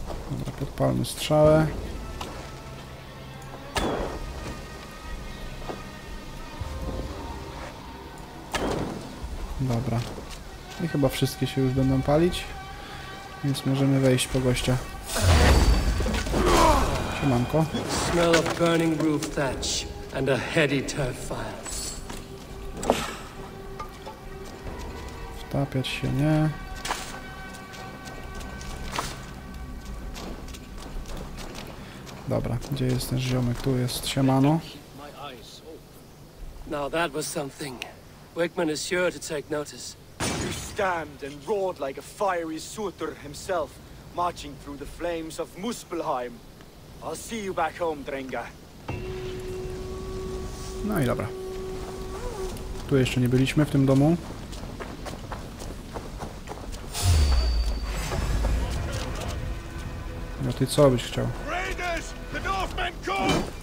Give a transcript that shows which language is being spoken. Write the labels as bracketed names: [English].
[Polish] Dobra, podpalmy strzałę. Dobra. I chyba wszystkie się już będą palić. Więc możemy wejść po gościa. Siemanko. [English] Smell of burning roof thatch and a heady turf fire. [Polish] Wtapiać się nie. Dobra, gdzie jest ten ziomek? Tu jest, siemano. [English] Now that was something. Wakeman is sure to take notice. Stamped and roared like a fiery Surtur himself, marching through the flames of Muspelheim. I'll see you back home, Drenga. [Polish] No i dobra. Tu jeszcze nie byliśmy w tym domu. No ty co byś chciał? [English] Raiders! The Northmen come!